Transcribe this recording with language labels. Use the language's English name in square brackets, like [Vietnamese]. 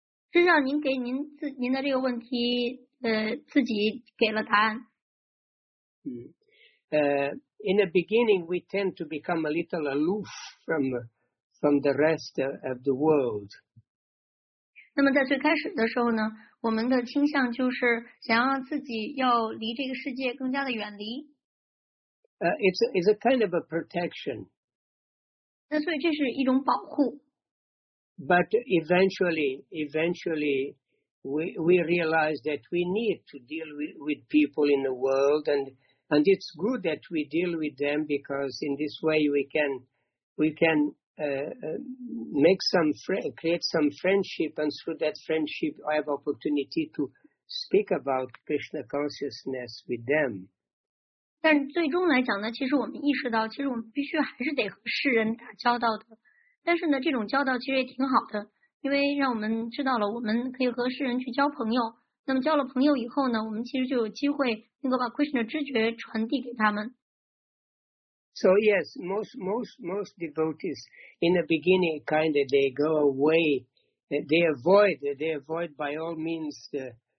[Chinese] 实际上您给您自您的这个问题自己给了答案。 [English] In the beginning, we tend to become a little aloof from the rest of the world. [Chinese] 那么在最开始的时候呢，我们的倾向就是想要自己要离这个世界更加的远离。 [English] It's a kind of a protection. [Chinese] 那所以这是一种保护。 [English] But eventually, we realize that we need to deal with people in the world and it's good that we deal with them because in this way we can create some friendship and through that friendship I have opportunity to speak about Krishna consciousness with them. [Chinese] 但最终来讲呢，其实我们意识到，其实我们必须还是得和世人打交道的。但是呢，这种交道其实也挺好的，因为让我们知道了我们可以和世人去交朋友。那么交了朋友以后呢，我们其实就有机会能够把 Krishna 的知觉传递给他们。 [English] So yes, most devotees in the beginning kind of they go away, they avoid by all means the